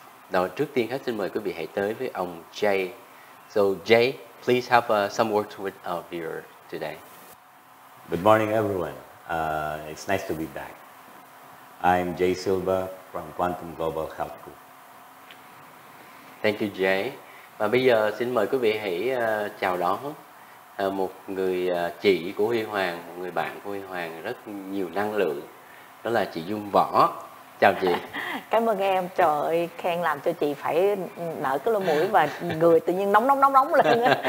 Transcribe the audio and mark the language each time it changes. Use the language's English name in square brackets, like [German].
[Vietnamese] Đó, trước tiên hết xin mời quý vị hãy tới với ông Jay. [English] So Jay, please have some words with our viewer today. Good morning, everyone. It's nice to be back. I'm Jay Silva from Quantum Global Health Group. Thank you, Jay. [Vietnamese] Và bây giờ xin mời quý vị hãy chào đón một người chị của Huy Hoàng, một người bạn của Huy Hoàng rất nhiều năng lượng. Đó là chị Dung Võ. Chào chị. Cảm ơn em. Trời ơi, khen làm cho chị phải nở cái lỗ mũi và người tự nhiên nóng lên.